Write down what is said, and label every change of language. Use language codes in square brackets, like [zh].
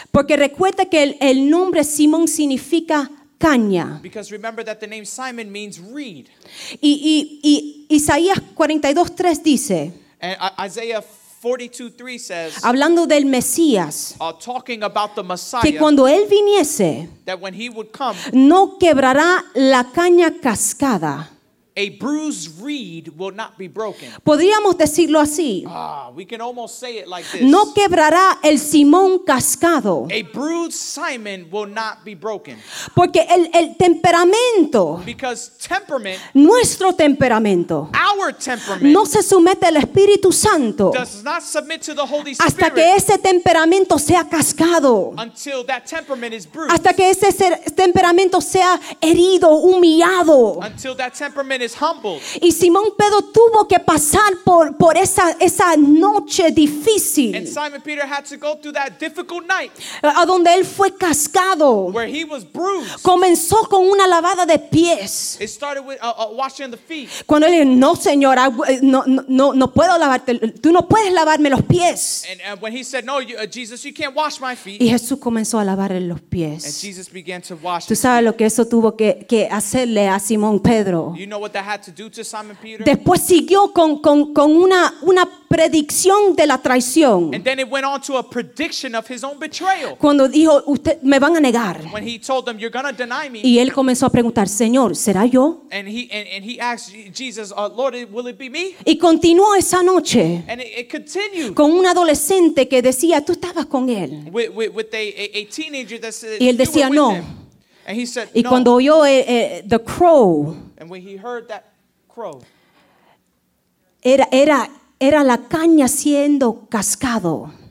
[es] Porque recuerda que el nombre Simón significa caña. [en] Because remember that the name Simon means reed. [es] Y Isaías 42:3 dice. [en] And Isaiah 42:3 says. [es] Hablando del Mesías. [en] Talking about the Messiah. [es] Que cuando él viniese. [en] That when he would come. [es] No quebrará la caña cascada. [en] A bruised reed will not be broken. [es] Podríamos decirlo así. [en] We can almost say it like this. [es] No quebrará el Simón cascado. [en] A bruised Simon will not be broken. [es] Porque el temperamento. [en] Because temperament. [es] Nuestro temperamento. [en] Our temperament. [es] No se somete al Espíritu Santo. [en] Does not submit to the Holy Spirit. [es] Hasta que ese temperamento sea cascado. [en] Until that temperament is bruised. [es] Hasta que ese temperamento sea herido, humillado. [en] Until that temperament is humbled. [es] Y Simón Pedro tuvo que pasar por esa noche difícil. [en] And Simon Peter had to go through that difficult night. [es] A donde él fue cascado. [en] Where he was bruised. [es] Comenzó con una lavada de pies. [en] It started with a washing of the feet. [es] Cuando él dijo, no, señora, no puedo lavarte, tú no puedes lavarme los pies. [en] And when he said, no, Jesus, you can't wash my feet. [es] Y Jesús comenzó a lavarle los pies. [en] And Jesus began to wash. [es] Tú sabes lo que eso tuvo que hacerle a Simón Pedro. [en] You know what that had to do to Simon Peter? [es] Después siguió con una predicción de la traición. [en] And then it went on to a prediction of his own betrayal. [es] Cuando dijo, usted me van a negar. [en] When he told them, you're going to deny me. [es] Y él comenzó a preguntar, Señor, ¿será yo? [en] And he asked Jesus, Lord, will it be me? [es] Y continuó esa noche. [en] And it continued. [es] Con un adolescente que decía, tú estabas con él. [en] With a teenager that said, [es] y él decía, [en] you were with [es] no. [en] Him. And he said, [es] y no. Cuando oyó [en] the crow. And when he heard that crow, [es] era la caña siendo cascado.